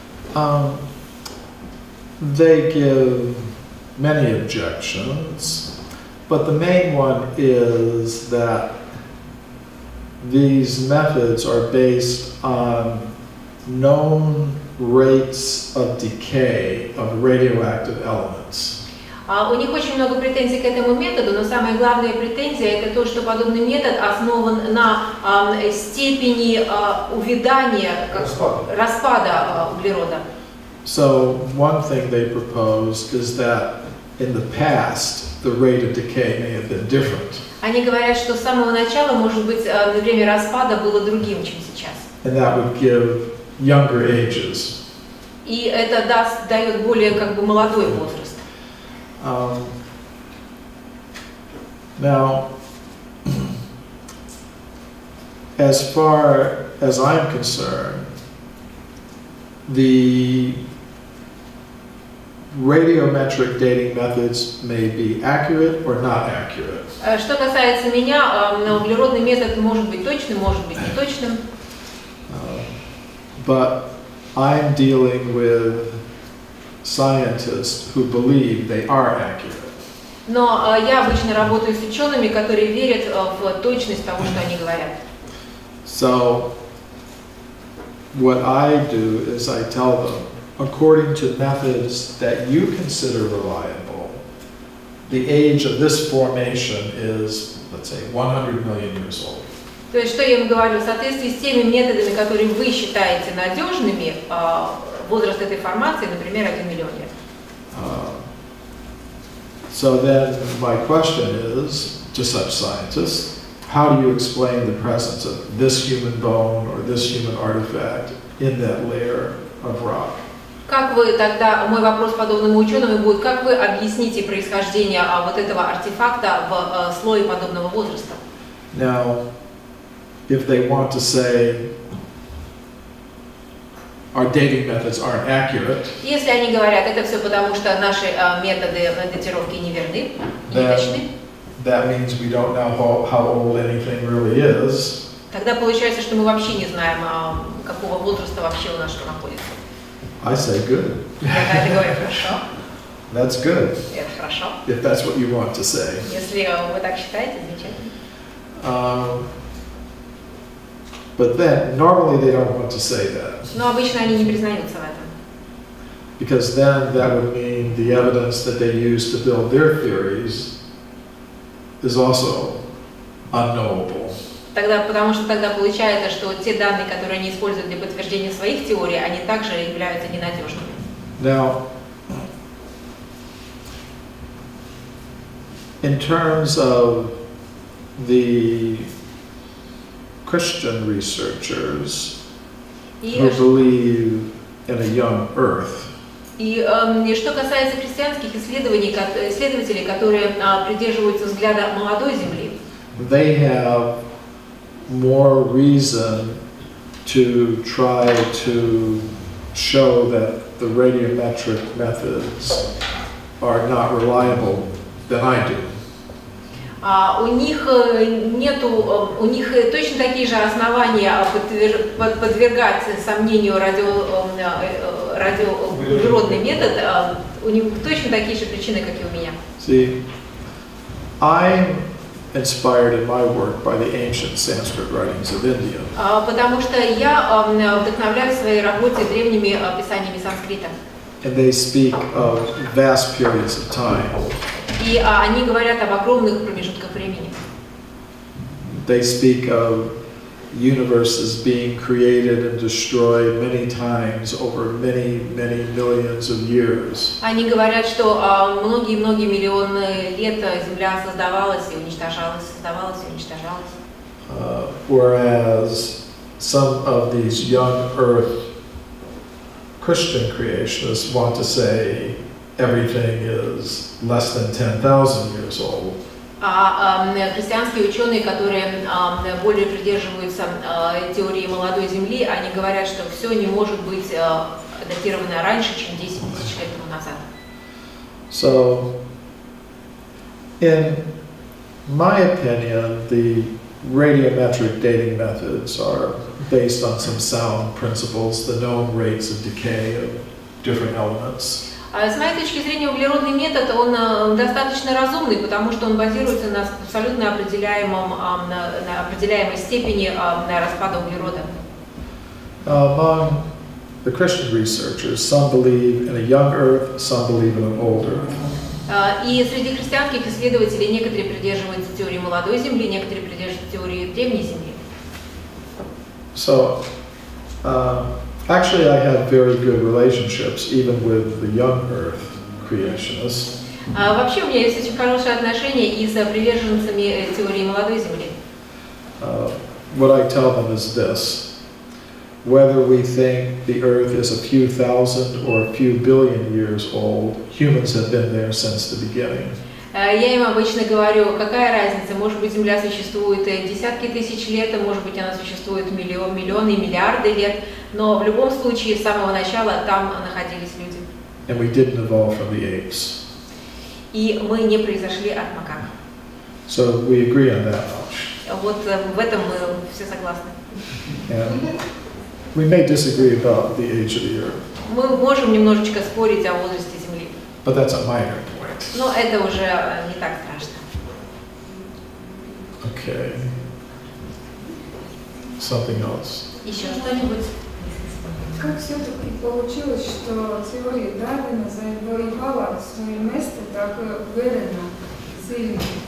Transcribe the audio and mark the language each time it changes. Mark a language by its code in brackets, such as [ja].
[en] They give many objections, but the main one is that these methods are based on known rates of decay of radioactive elements. [ru] У них очень много претензий к этому методу, но самая главная претензия это то, что подобный метод основан на степени увядания распада углерода. [en] So one thing they propose is that in the past the rate of decay may have been different. [ru] Они говорят, что с самого начала, может быть, время распада было другим, чем сейчас. [en] And that would give younger ages. [ru] И это дает более как бы молодой возраст. [en] Now, as far as I'm concerned, the radiometric dating methods may be accurate or not accurate. [ru] Что касается меня, углеродный метод может быть точным, может быть неточным. [en] But I'm dealing with scientists who believe they are accurate. [ru] Но я обычно работаю с учеными, которые верят в точность того, что они говорят. [en] So what I do is I tell them, according to methods that you consider reliable, the age of this formation is, let's say, 100 million years old. [ru] То есть, что я им говорю, в соответствии с теми методами, которые вы считаете надежными, возраст этой формации, например, 1 миллион лет. [en] So then my question is to such scientists, how do you explain the presence of this human bone or this human artifact in that layer of rock? [ru] Как вы тогда, мой вопрос подобному ученому будет, как вы объясните происхождение вот этого артефакта в слое подобного возраста? [en] Now, if they want to say our dating methods aren't accurate, [ru] если они говорят это все потому что наши методы датировки неверны, неточны, [en] that means we don't know how old anything really is. [ru] Тогда получается, что мы вообще не знаем какого возраста вообще у нас находится. [en] I say good. [ru] Я говорю хорошо. [en] That's good. [ru] Это хорошо. [en] If that's what you want to say. [ru] Если вы так считаете, замечательно. [en] But then, normally they don't want to say that. [ru] Но обычно они не признаются в этом. [en] Because then that would mean the evidence that they use to build their theories is also unknowable. [ru] Тогда, потому что тогда получается, что те данные, которые они используют для подтверждения своих теорий, они также являются ненадежными. [en] Now, in terms of the Christian researchers who believe in a young earth. [ru] И что касается христианских исследователей, которые придерживаются взгляда молодой земли, [en] they have more reason to try to show that the radiometric methods are not reliable than I do. [ru] У них точно такие же основания подвергать сомнению радиоуглеродный метод. У них точно такие же причины, как и у меня. [en] See, I'm inspired in my work by the ancient Sanskrit writings of India. [ru] Потому что я вдохновляюсь в своей работе древними писаниями санскрита. [en] And they speak of vast periods of time. [ru] И они говорят об огромных промежутках времени. [en] They speak of universes being created and destroyed many times over many, many millions of years. [ru] Они говорят, что многие-многие миллионы лет Земля создавалась и уничтожалась, создавалась и уничтожалась. [en] Whereas some of these young Earth Christian creationists want to say everything is less than 10,000 years old. [ru] А христианские ученые, которые более придерживаются теории молодой земли, они говорят, что все не может быть датировано раньше, чем 10 тысяч лет тому назад. [en] So, in my opinion, the radiometric dating methods are based on some sound principles, the known rates of decay of different elements. [ru] С моей точки зрения, углеродный метод, он достаточно разумный, потому что он базируется на абсолютно определяемой степени распада углерода. [en] Among the Christian researchers, some believe in a young earth, some believe in an old earth. [ru] И среди христианских исследователей некоторые придерживаются теории молодой земли, некоторые придерживаются теории древней земли. [en] So, actually, I have very good relationships, even with the young Earth creationists. [ru] Вообще у меня есть очень хорошие отношения и с приверженцами теории молодой земли. [en] What I tell them is this: whether we think the Earth is a few thousand or a few billion years old, humans have been there since the beginning. [ru] Я им обычно говорю, какая разница, может быть, Земля существует десятки тысяч лет, а может быть, она существует миллионы, миллиарды лет, но в любом случае, с самого начала там находились люди. [en] And we didn't evolve from the apes. [ru] И мы не произошли от макак. [en] So we agree on that much. [ru] Вот в этом мы все согласны. [en] And we may disagree about the age of the Earth. [ru] Мы можем немножечко спорить о возрасте Земли. [en] But that's a minor point. [ru] Но это уже не так страшно. [en] Okay. Something else. [ru] Еще что-нибудь? Как все-таки получилось, что теория Дарвина завоевала свое место так уверенно, сильно?